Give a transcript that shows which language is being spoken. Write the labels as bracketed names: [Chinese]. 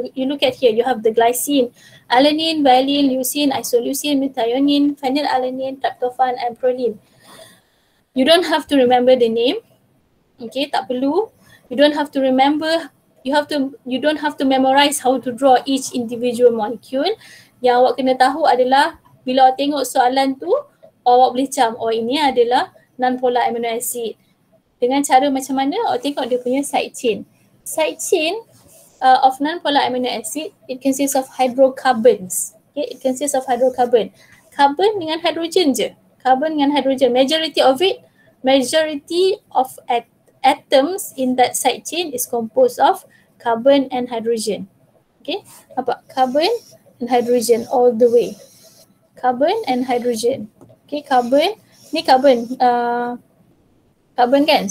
[English] You look at here, you have the glycine, alanine, valine, leucine, isoleucine, methionine, phenylalanine, tryptophan and proline. You don't have to remember the name, okay, [Malay] tak perlu. [English] You don't have to memorize how to draw each individual molecule. [Malay] Yang awak kena tahu adalah bila awak tengok soalan tu, awak boleh cam, oh ini adalah non-polar amino acid. Dengan cara macam mana? Awak tengok dia punya side chain. [English] Side chain of non-polar amino acid, it consists of hydrocarbons. Okay, it consists of hydrocarbon. [Malay] Carbon dengan hydrogen je. Carbon dengan hydrogen. [English] Majority of atoms in that side chain is composed of carbon and hydrogen. Okay, apa? Carbon and hydrogen all the way. Carbon and hydrogen. Okay, carbon. [Malay] Ni carbon. Carbon kan?